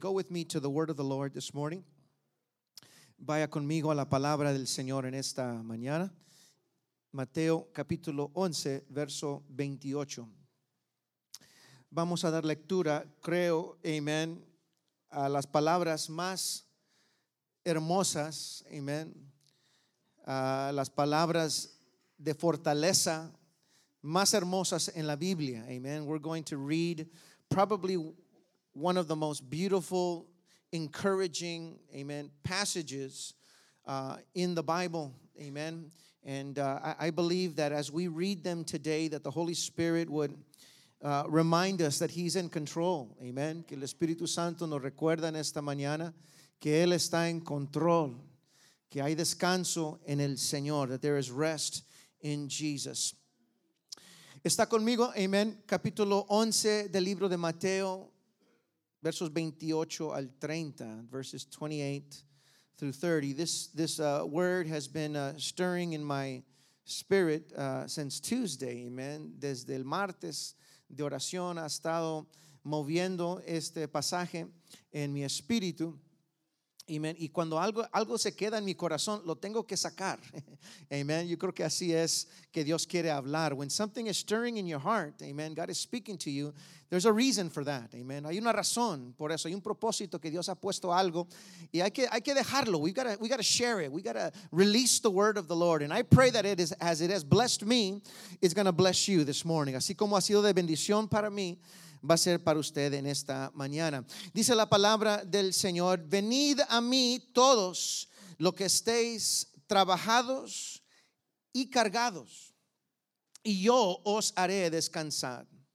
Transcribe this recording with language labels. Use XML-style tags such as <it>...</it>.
<en>Go with me to the word of the Lord this morning.</en> <es>Vaya conmigo a la palabra del Señor en esta mañana. Mateo capítulo 11, verso 28. Vamos a dar lectura, creo, amén, a las palabras más hermosas, amén, a las palabras de fortaleza más hermosas en la Biblia, amén.</es> <en>We're going to read probably one of the most beautiful, encouraging, amen, passages in the Bible, amen. And I believe that as we read them today, that the Holy Spirit would remind us that He's in control, amen.</en> <es>Que el Espíritu Santo nos recuerda en esta mañana que Él está en control, que hay descanso en el Señor,</es> <en>that there is rest in Jesus.</en> <es>Está conmigo, amen, capítulo 11 del libro de Mateo, versos 28 al 30,</es> <en>verses 28 through 30. This word has been stirring in my spirit since Tuesday, amen.</en> <es>Desde el martes de oración ha estado moviendo este pasaje en mi espíritu. Amen. Y cuando algo se queda en mi corazón, lo tengo que sacar. Amen. Yo creo que así es que Dios quiere hablar.</es> <en>When something is stirring in your heart, amen, God is speaking to you, there's a reason for that.</en> <es>Amen. Hay una razón por eso. Hay un propósito que Dios ha puesto algo. Y hay que dejarlo.</es> <en>We gotta share it. We gotta release the word of the Lord. And I pray that it is, as it has blessed me, it's gonna bless you this morning.</en> <es>Así como ha sido de bendición para mí, va a ser para usted en esta mañana. Dice la palabra del Señor: venid a mí todos los que estéis trabajados y cargados, y yo os haré descansar.</es>